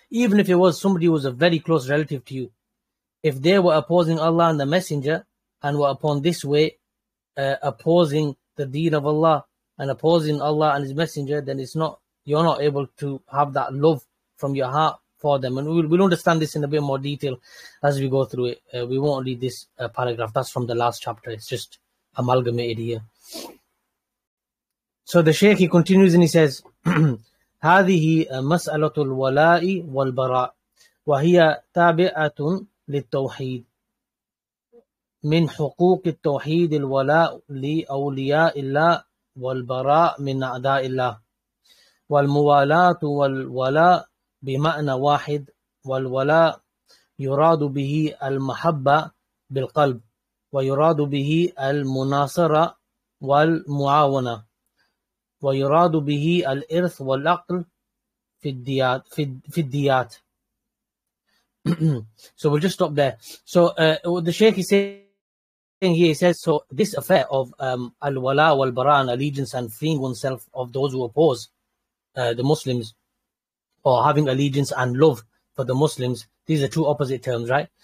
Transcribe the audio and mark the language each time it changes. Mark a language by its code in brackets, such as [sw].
[en] Even if it was somebody who was a very close relative to you, if they were opposing Allah and the Messenger and were upon this way, opposing the deen of Allah and opposing Allah and His Messenger, then it's not, you're not able to have that love from your heart for them. And we'll understand this in a bit more detail as we go through it. We won't read this paragraph. That's from the last chapter. It's just amalgamated here. So the Shaykh, he continues and he says, [ar] هذه مسألة الولاء والبراء وهي تابعة للتوحيد من حقوق التوحيد الولاء لأولياء الله والبراء من أعداء الله والموالاة والولاء بمعنى واحد والولاء يراد به المحبة بالقلب ويراد به المناصرة والمعاونة ويراد به الإرث والعقل في الديات في الديات. [en] So we'll just stop there. So the Shaykh is saying here, he says, so this affair of al-wala wal-bara, allegiance and freeing oneself of those who oppose the Muslims, or having allegiance and love for the Muslims, these are two opposite terms, right?